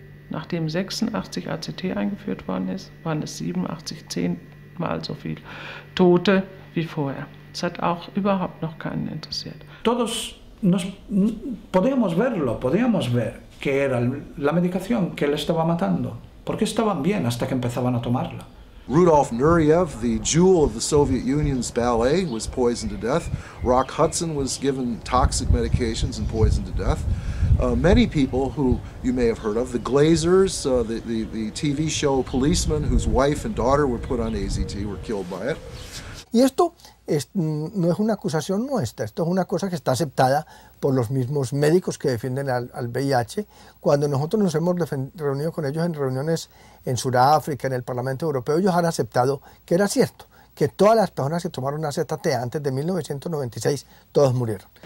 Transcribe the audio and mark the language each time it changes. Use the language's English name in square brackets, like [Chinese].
[German] Nachdem 86 AZT eingeführt worden ist, waren es 87 zehnmal so viel Tote wie vorher. Es hat auch überhaupt noch keinen interessiert. [Spanish] Todos nos podíamos verlo, podíamos ver que era la medicación que le estaba matando, porque estaban bien hasta que empezaban a tomarla. [English] Rudolf Nureyev, the jewel of the Soviet Union's ballet, was poisoned to death. Rock Hudson was given toxic medications and poisoned to death. Many people who you may have heard of, the Glazers, the TV show policeman whose wife and daughter were put on AZT, were killed by it. [Spanish] Y esto es, no es una acusación nuestra, esto es una cosa que está aceptada por los mismos médicos que defienden al VIH. Cuando nosotros nos hemos reunido con ellos en reuniones en Sudáfrica, en el Parlamento Europeo, ellos han aceptado que era cierto, que todas las personas que tomaron AZT antes de 1996, todos murieron.